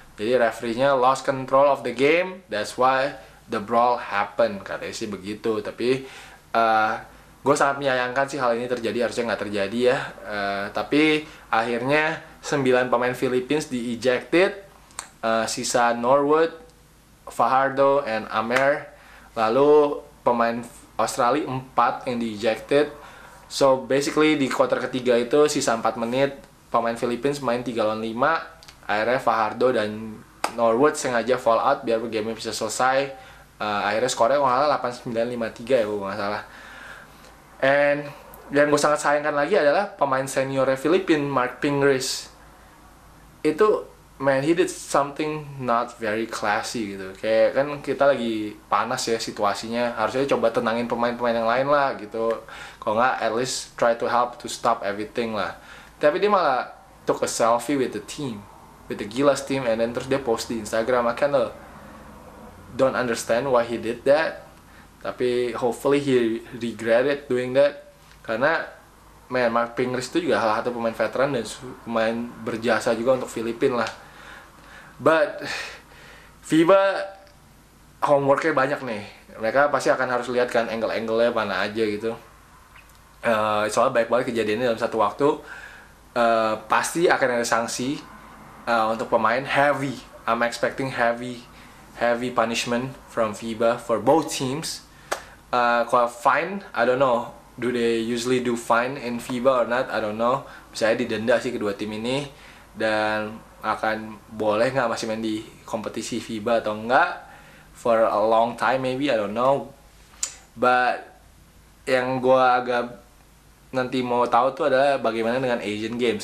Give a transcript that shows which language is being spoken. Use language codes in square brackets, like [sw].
[id] Jadi [en] referee-nya lost control of the game, that's why the brawl happened. [id] Katanya sih begitu, tapi... gue sangat menyayangkan sih hal ini terjadi, harusnya nggak terjadi ya. Tapi akhirnya 9 pemain Philippines di ejected, sisa Norwood, Fajardo and Amer. Lalu pemain Australia 4 yang dejected. So basically di quarter ketiga itu sisa 4 menit pemain Philippines main 3 lawan 5. Akhirnya Fajardo dan Norwood sengaja fall out biar game-nya bisa selesai. Akhirnya skornya kalau 8-9-5-3 ya kalau nggak salah. And yang gue sangat sayangkan lagi adalah pemain seniornya Filipin, Mark Pingris. [en] Itu, man, he did something not very classy gitu. [id] Kayak kan kita lagi panas ya situasinya. Harusnya coba tenangin pemain-pemain yang lain lah gitu. Kalau nggak, [en] at least try to help to stop everything lah. [id] Tapi dia malah [en] took a selfie with the team. With the Gilas team, and then [id] terus dia post di [en] Instagram. I kind of don't understand why he did that. [id] Tapi [en] hopefully he regretted doing that. [id] Karena, man, Mark Pingris itu juga salah satu pemain veteran dan pemain berjasa juga untuk Filipina lah. But, FIBA homeworknya banyak nih. Mereka pasti akan harus lihat kan angle-angle-nya mana aja gitu. Soalnya baik banget kejadiannya dalam satu waktu. Pasti akan ada sanksi. Untuk pemain, heavy. [en] I'm expecting heavy punishment from FIBA for both teams. Fine, I don't know. Do they usually do fine in FIBA or not? I don't know. [id] Misalnya didenda sih kedua tim ini. Dan akan boleh nggak masih main di kompetisi FIBA atau nggak? [en] For a long time maybe, I don't know. [id] But yang gue agak nanti mau tahu tuh adalah bagaimana dengan Asian Games.